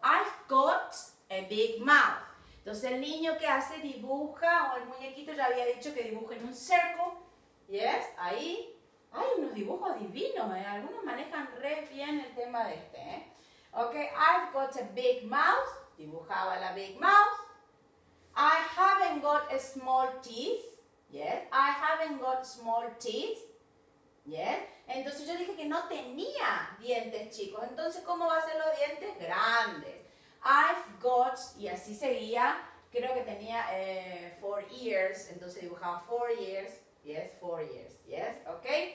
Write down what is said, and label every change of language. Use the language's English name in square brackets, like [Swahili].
[English] I've got a big mouth. [Spanish] Entonces el niño que hace dibuja, o el muñequito, ya había dicho que dibuja en un cerco. ¿Yes? Ahí. Hay unos dibujos divinos, ¿eh? Algunos manejan re bien el tema de este, ¿eh? [English] Ok, I've got a big mouth. [Spanish] Dibujaba la [English] big mouth. I haven't got a small teeth. ¿Yes? I haven't got small teeth. ¿Yes? [Spanish] Entonces yo dije que no tenía dientes, chicos. Entonces, ¿cómo va a ser los dientes? Grandes. [English] I've got, [Spanish] y así seguía, creo que tenía 4 ears, entonces dibujaba 4 ears, yes, 4 years, yes, ok.